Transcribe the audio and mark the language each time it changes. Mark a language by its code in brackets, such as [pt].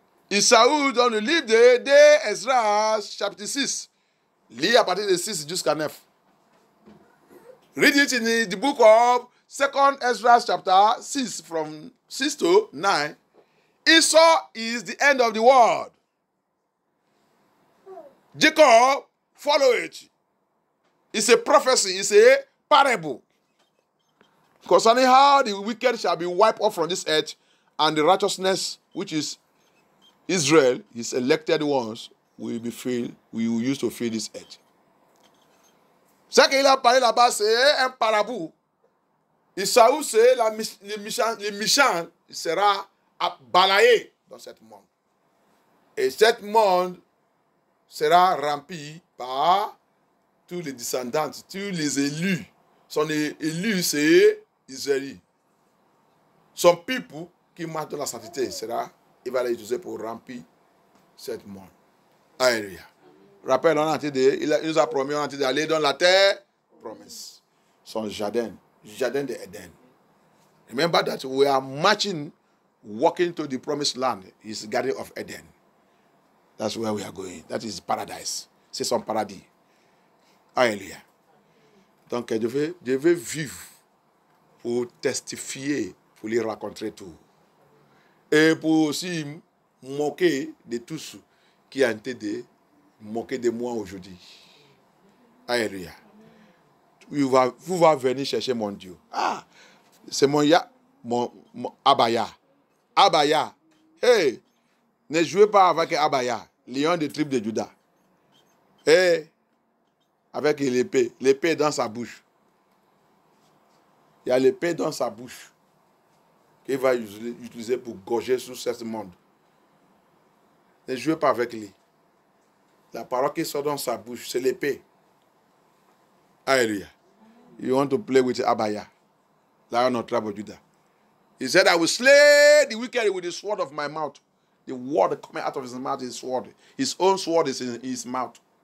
[fr] Esau, dans le livre de Ezra, chapitre 6, lis à partir de 6 jusqu'à 9. [en] Read it in the book of 2 Ezra chapter 6, from 6 to 9. Esau is the end of the world. Jacob, follow it. It's a prophecy, it's a parable. Concerning how the wicked shall be wiped off from this earth, and the righteousness, which is Israel, his elected ones, will be filled, will use to fill this earth. [fr] Ce qu'il a parlé là-bas, c'est un parabole. Esaü, c'est le méchant sera balayé dans cette monde. Et cette monde sera rempli par tous les descendants, tous les élus. Son élu, c'est Israël. Son peuple qui marche dans la sainteté sera, il va les utiliser pour remplir cette monde. Alléluia. Rappelle, on a dit, il nous a promis, on a dit d'aller dans la terre. Promise. son jardin, jardin de Eden. [en] Remember that we are marching, walking to the promised land, his garden of Eden. That's where we are going. That is paradise. [fr] C'est son paradis. [en] Alléluia. [fr] Donc, je veux vivre pour testifier, pour lui raconter tout. Et pour aussi moquer de tous qui ont été de moquer de moi aujourd'hui. Alléluia. Vous va venir chercher mon Dieu. Ah, c'est mon Abaya. Abaya. Hey, ne jouez pas avec Abaya, lion de tribu de Juda. Hey, avec l'épée dans sa bouche. Il y a l'épée dans sa bouche qu'il va utiliser pour gorger sur ce monde. Ne jouez pas avec lui. La parole qui sort dans sa bouche, c'est l'épée. Alléluia. [en] You want to play with Abaya, lion of tribe of Judah. He said, I will slay the wicked with the sword of my mouth. The word coming out of his mouth is sword. His own sword is in his mouth.